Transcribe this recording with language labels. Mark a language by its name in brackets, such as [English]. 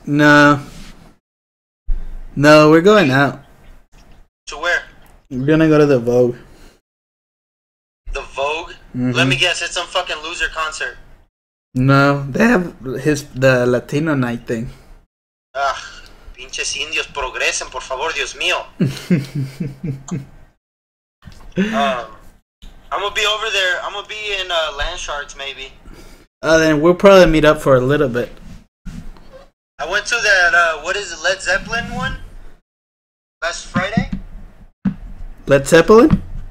[English] No. No, we're going out. To where? We're going to go to the Vogue. The Vogue? Mm-hmm. Let me guess, it's some fucking loser concert. No, they have the Latino night thing. [Spanish] Ah, pinches indios progresen, por favor, Dios mío. [English] I'm gonna be over there. I'm gonna be in Landsharks, maybe. Then we'll probably meet up for a little bit. I went to that, Led Zeppelin one? Last Friday? Led Zeppelin?